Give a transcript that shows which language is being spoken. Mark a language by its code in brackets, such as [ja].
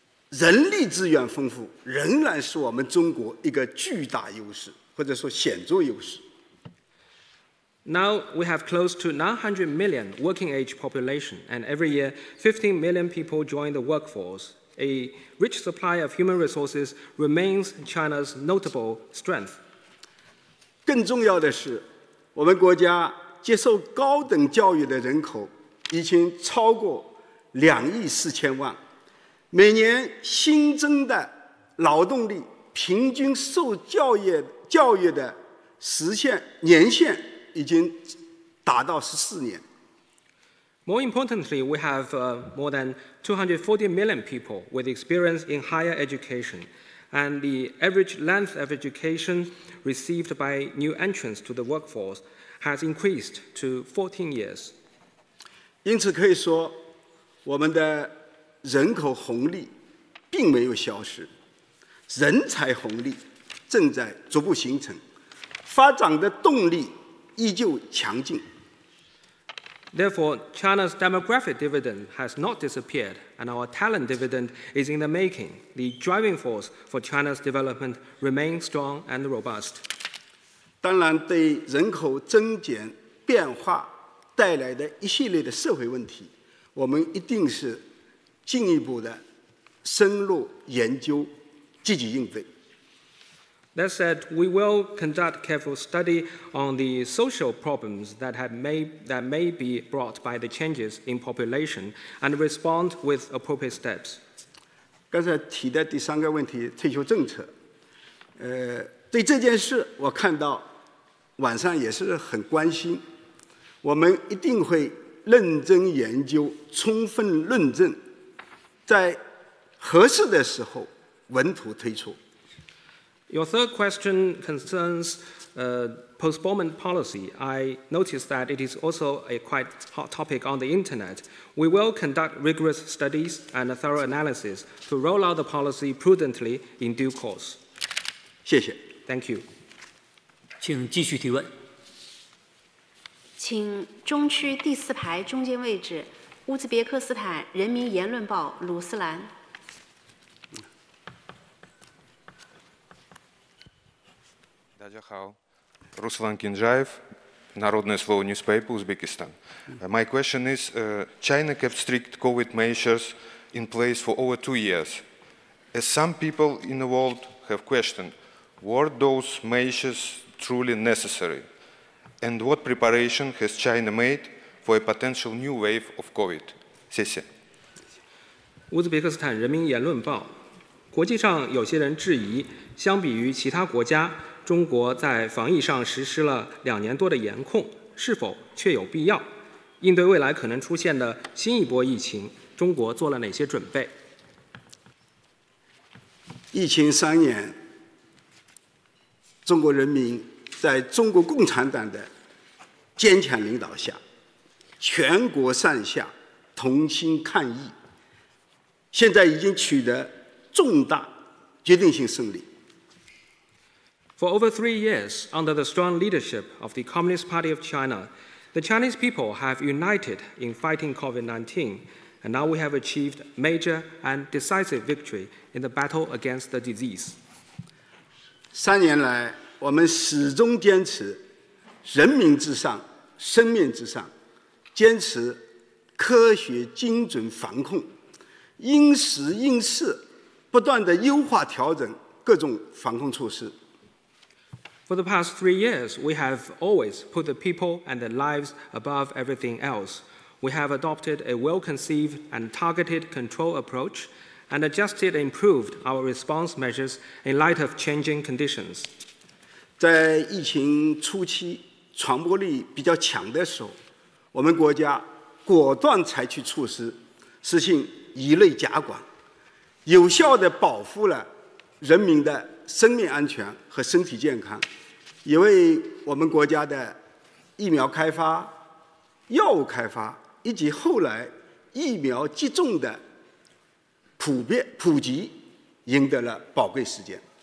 [zh] 人力资源丰富仍然是我们中国一个巨大优势，或者说显著优势。 [en] Now we have close to 900 million working age population, and every year 15 million people join the workforce. A rich supply of human resources remains China's notable strength. [zh] 更重要的是，我们国家接受高等教育的人口已经超过2亿4000万，每年新增的劳动力平均受教育的年限已经达到14年。 [en] More importantly, we have more than 240 million people with experience in higher education, and the average length of education received by new entrants to the workforce has increased to 14 years. [zh] 因此可以说，我们的人口红利并没有消失，人才红利正在逐步形成，发展的动力依旧强劲。 [en] Therefore, China's demographic dividend has not disappeared, and our talent dividend is in the making. The driving force for China's development remains strong and robust. [zh] 当然对人口增减变化带来的一系列的社会问题，我们一定是进一步的深入研究，积极应对。 [en] That said, we will conduct careful study on the social problems that may be brought by the changes in population and respond with appropriate steps. [zh] 刚才提的第三个问题，退休政策，对这件事我看到晚上也是很关心，我们一定会认真研究，充分论证，在合适的时候稳妥推出。 [en] Your third question concernspostponement policy. I noticed that it is also a quite hot topic on the internet. We will conduct rigorous studies and a thorough analysis to roll out the policy prudently in due course. [zh] 谢谢。 [en] Thank you. [zh] 请继续提问。请中区第四排中间位置，乌兹别克斯坦《人民言论报》鲁斯兰。大家好。 [en] Ruslan Kinjaev, Narodnoye Slovo newspaper, Uzbekistan. My question is, China kept strict COVID measures in place for over 2 years. As some people in the world have questioned, were those measures truly necessary? And what preparation has China made for a potential new wave of COVID? [zh] 谢谢。 Uzbekistan 人民言论报。国际上有些人质疑，相比于其他国家，中国在防疫上实施了两年多的严控，是否确有必要？应对未来可能出现的新一波疫情，中国做了哪些准备？疫情三年，中国人民在中国共产党的坚强领导下，全国上下同心抗疫，现在已经取得重大决定性胜利。 [en] For over 3 years, under the strong leadership of the Communist Party of China, the Chinese people have united in fighting COVID-19, and now we have achieved major and decisive victory in the battle against the disease. [zh] 三年来，我们始终坚持人民至上、生命至上，坚持科学精准防控，因时因势，不断地优化调整各种防控措施。 [en] For the past 3 years, we have always put the people and their lives above everything else. We have adopted a well-conceived and targeted control approach and adjusted and improved our response measures in light of changing conditions. [zh] 在疫情初期传播力比较强的时候，我们国家果断采取措施，实行一类加管，有效地保护了人民的生命安全和身体健康，也为我们国家的疫苗开发、药物开发以及后来疫苗接种的普及赢得了宝贵时间。